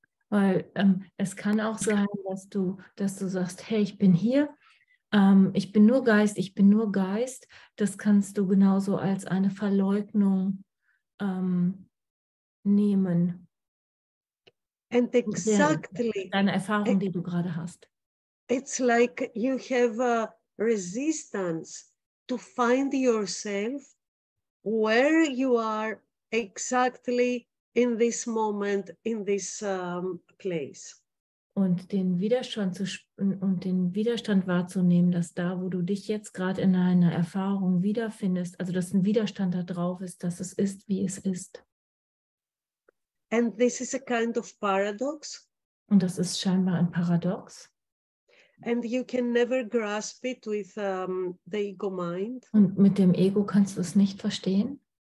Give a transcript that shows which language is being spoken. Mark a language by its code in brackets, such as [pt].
[de] Weil es kann auch sein, dass du sagst, hey, ich bin hier, ich bin nur Geist, ich bin nur Geist. Das kannst du genauso als eine Verleugnung nehmen. [en] And exactly. [de] Deine Erfahrung, die du gerade hast. [en] It's like you have a resistance to find yourself where you are exactly in this moment, in this place. [de] Und den Widerstand wahrzunehmen, dass da, wo du dich jetzt gerade in einer Erfahrung wiederfindest, also dass ein Widerstand da drauf ist, dass es ist, wie es ist. [en] And this is a kind of paradox. [de] Und das ist scheinbar ein Paradox. [en] And you can never grasp it with the ego mind. [de] Und mit dem Ego kannst du es nicht verstehen.